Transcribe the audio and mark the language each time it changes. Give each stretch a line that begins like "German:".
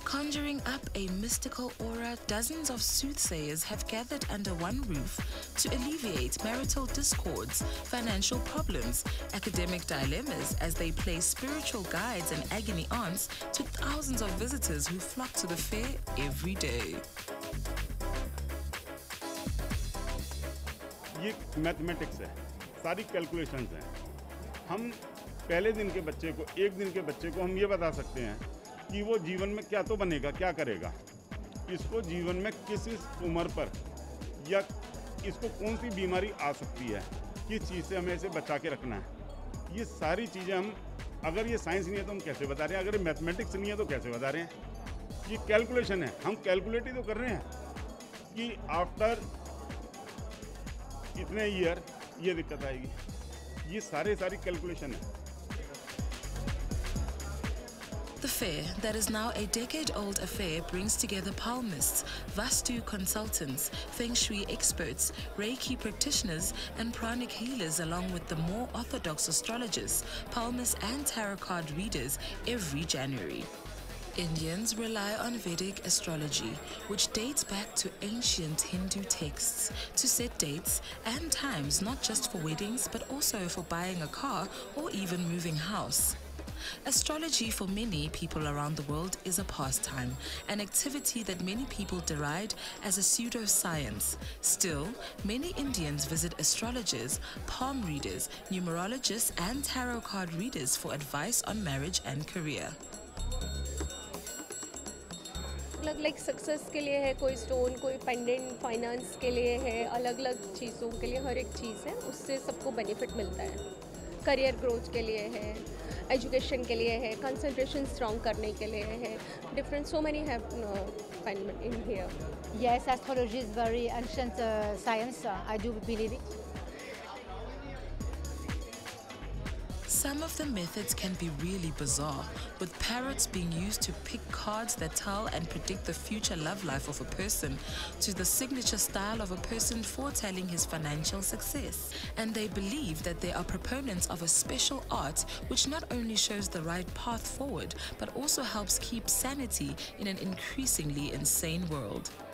English: Conjuring up a mystical aura, dozens of soothsayers have gathered under one roof to alleviate marital discords, financial problems, academic dilemmas as they play spiritual guides and agony aunts to thousands of visitors who flock to the fair every day.
Hindi: ये mathematics है सारी calculations हैं हम पहले दिन के बच्चे को एक दिन के बच्चे को हम ये बता सकते हैं कि वो जीवन में क्या तो बनेगा क्या करेगा इसको जीवन में किस उम्र पर या इसको कौन सी बीमारी आ सकती है किस चीज से हमें इसे बचा के रखना है ये सारी चीजें हम अगर ये साइंस नहीं है तो हम कैसे बता रहे हैं अगर ये मैथमेटिक्स नहीं है तो कैसे बता रहे हैं ये कैलकुलेशन है हम कैलकुलेट ही तो कर रहे हैं कि आफ्टर इतने ईयर ये दिक्कत आएगी ये सारे सारी कैलकुलेशन है
English: The fair, that is now a decade-old affair, brings together palmists, vastu consultants, feng shui experts, reiki practitioners, and pranic healers along with the more orthodox astrologers, palmists, and tarot card readers every January. Indians rely on Vedic astrology, which dates back to ancient Hindu texts, to set dates and times, not just for weddings, but also for buying a car or even moving house. Astrology for many people around the world is a pastime, an activity that many people deride as a pseudoscience. Still, many Indians visit astrologers, palm readers, numerologists, and tarot card readers for advice on marriage and career.
Hindi: अलग अलग success के लिए है कोई stone कोई pendant finance के लिए है अलग अलग चीज़ों के लिए हर एक चीज़ है उससे सबको बेनिफिट मिलता है करियर ग्रोथ के लिए है एजुकेशन के लिए है कंसंट्रेशन स्ट्रॉन्ग करने के लिए है different
English: So many have in here yes astrology is very ancient science I do believe it. Some of the methods can be really bizarre, with parrots being used to pick cards that tell and predict the future love life of a person, to the signature style of a person foretelling his financial success. And they believe that they are proponents of a special art which not only shows the right path forward, but also helps keep sanity in an increasingly insane world.